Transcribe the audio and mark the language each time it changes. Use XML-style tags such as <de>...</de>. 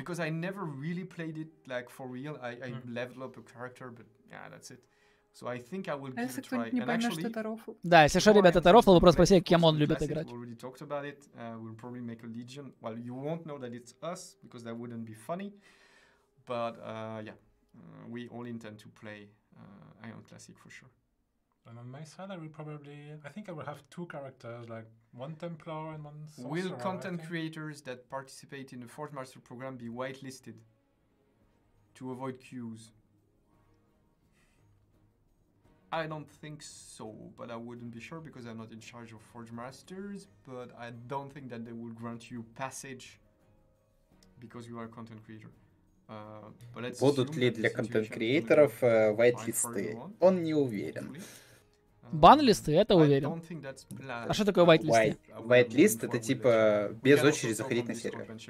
<en>Because I never really played it like for real. I level up a character, but yeah, that's it. So I think I will give it a try. And actually,</en> <ru>да, если что, ребята, это рофл, вы просто спросите, кем он любит играть.</ru> <en>We already talked about it. We'll probably make a legion. Well, you won't know that it's us because that wouldn't be funny. But yeah, we all intend to play Ion Classic for sure. And on my side, I think I will have two characters, like one Templar and one Sorcerer. Will content creators that participate in the Forge Master program be whitelisted to avoid queues? I don't think so, but I wouldn't be sure because I'm not in charge of Forge Masters, but I don't think that they will grant you passage because you are a content creator.</en> <ru>Будут ли для контент-креаторов вайт-листы? Он не уверен. Бан-листы? Это уверен. А что такое вайт-листы? Вайт-лист — это типа без очереди заходить на сервер.</ru>